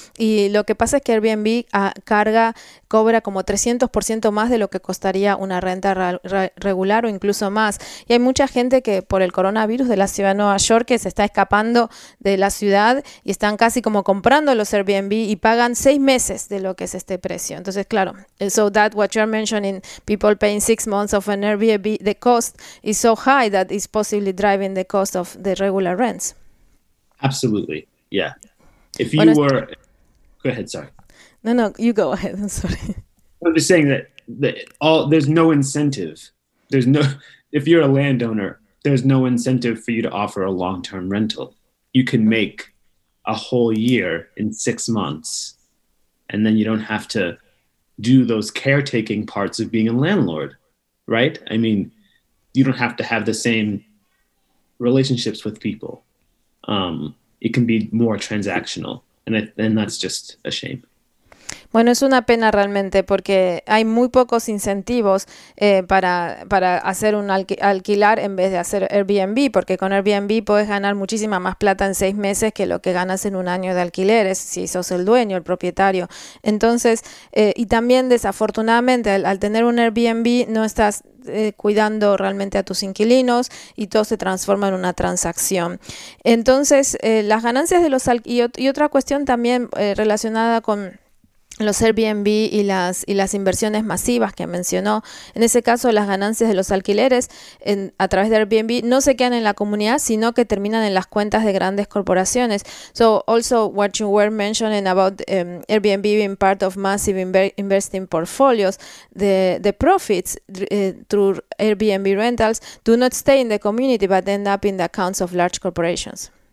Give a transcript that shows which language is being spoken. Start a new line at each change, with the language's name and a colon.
Spanish: Y lo que pasa es que Airbnb cobra como 300% más de lo que costaría una renta regular o incluso más. Y hay mucha gente que por el coronavirus de la ciudad de Nueva York que se está escapando de la ciudad y están casi como comprando los Airbnb y pagan 6 meses de lo que es este precio. Entonces, claro,
English: so that what you're mentioning, people paying 6 months of an Airbnb, the cost is so high that it's possibly driving the cost of the regular rents. Absolutely, yeah. If you were... Go ahead, sorry. No, no, you go ahead, I'm sorry. I'm just saying that there's no incentive. There's no, if you're a landowner, there's no incentive for you to offer a long-term rental. You can make a whole year in 6 months, and then you don't have to do those caretaking parts of being a landlord, right? I mean, you don't have to have the same relationships with people. It can be more transactional. And that's just a shame.
Spanish: Bueno, es una pena realmente porque hay muy pocos incentivos para hacer un alquilar en vez de hacer Airbnb, porque con Airbnb puedes ganar muchísima más plata en 6 meses que lo que ganas en un año de alquileres si sos el dueño, el propietario. Entonces, y también desafortunadamente al tener un Airbnb no estás cuidando realmente a tus inquilinos y todo se transforma en una transacción. Entonces, las ganancias de los alquileres y otra cuestión también relacionada con los Airbnb y las inversiones masivas que mencionó. En ese caso, las ganancias de los alquileres a través de Airbnb no se quedan en la comunidad, sino que terminan en las cuentas de grandes corporaciones.
English: So, also what you were mentioning about Airbnb being part of massive investing portfolios, the profits through Airbnb rentals do not stay in the community, but end up in the accounts of large corporations.